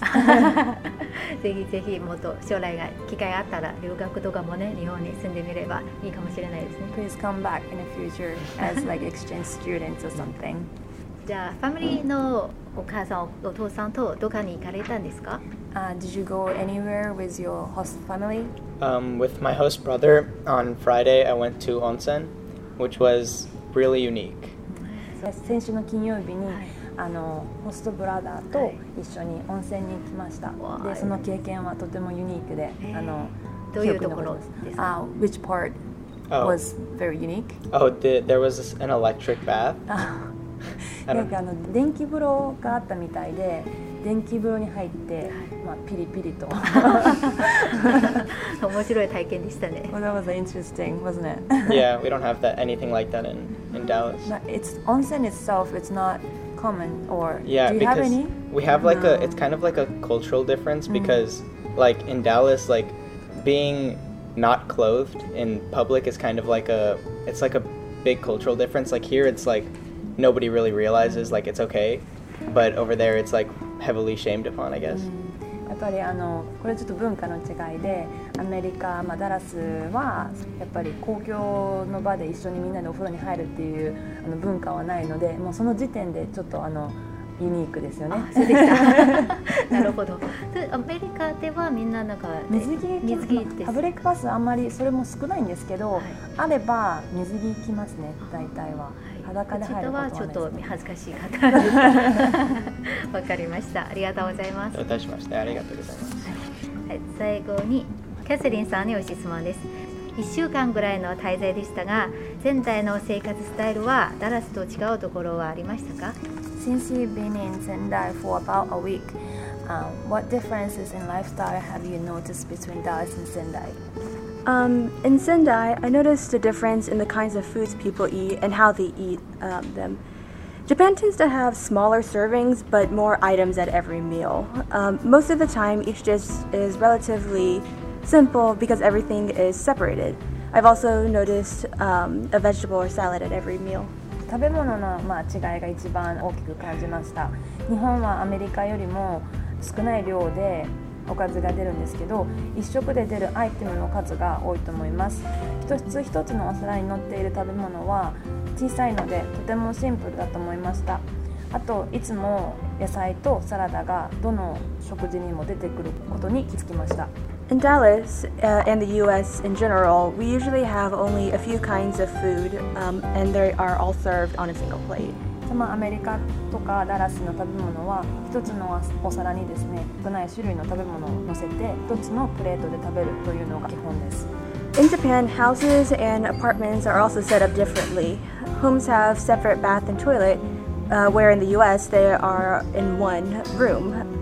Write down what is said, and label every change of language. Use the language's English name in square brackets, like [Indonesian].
[Japanese] ぜひぜひもっと将来が機会あったら留学とかもね日本に住んでみればいいかもしれないですね。 [English] Please come back in the future as like exchange students or something. [Japanese] じゃあファミリーのお母さんお父さんとどこに行かれたんですか [English] Did you go anywhere with your host family? With my host brother on Friday I went to onsen, which was really unique. [Japanese] 先週の金曜日にあのホストブラザーと一緒に温泉に行きました。でその経験はとてもユニークで、あのどういうところですか？ [English] Which part was very unique? There was an electric bath. [Japanese] なんかあの電気風呂があったみたいで、電気風呂に入って、まあ、ピリピリと面白い体験でしたね。 [English] Well, that was interesting, wasn't it? Yeah, we don't have that, anything like that in Dallas. But it's onsen itself, it's not common, or yeah, do you have any? We have like a, it's kind of like a cultural difference because like in Dallas, like being not clothed in public is kind of like a, it's like a big cultural difference. Like here it's like nobody really realizes like it's okay, but over there it's like heavily shamed upon, I guess. [Japanese] やっぱりあのこれちょっと文化の違いで、アメリカ、まあ、ダラスはやっぱり公共の場で一緒にみんなでお風呂に入るっていうあの文化はないので、もうその時点でちょっとあのユニークですよね。あ、そうでした。なるほど。で、アメリカではみんななんか水着です。パブリックバスあんまりそれも少ないんですけど、はい、あれば水着行きますね、大体は。裸で入ることはないですね。はちょっと恥ずかしい方です。わかりました。ありがとうございます。どういたしまして、ありがとうございます。はい、最後にキャセリンさんにお質問です。1週間ぐらいの滞在でしたが、全体の生活スタイルはダラスと違うところはありましたか？ [English] Since you've been in Sendai for about a week, what differences in lifestyle have you noticed between Dallas and Sendai? In Sendai, I noticed a difference in the kinds of foods people eat and how they eat them. Japan tends to have smaller servings but more items at every meal. Most of the time, each dish is relatively simple because everything is separated. I've also noticed a vegetable or salad at every meal. [Japanese] 食べ物の、まあ、違いが一番大きく感じました。日本はアメリカよりも少ない量でおかずが出るんですけど、一食で出るアイテムの数が多いと思います。一つ一つのお皿に乗っている食べ物は小さいのでとてもシンプルだと思いました。あといつも野菜とサラダがどの食事にも出てくることに気づきました。 [English] In Dallas, and the US in general, we usually have only a few kinds of food, and they are all served on a single plate. [Japanese] まあ、アメリカとかダラスの食べ物は一つのお皿にですね、少ない種類の食べ物を乗せて一つのプレートで食べるというのが基本です。 [English] In Japan, houses and apartments are also set up differently. Homes have separate bath and toilet, where in the US they are in one room.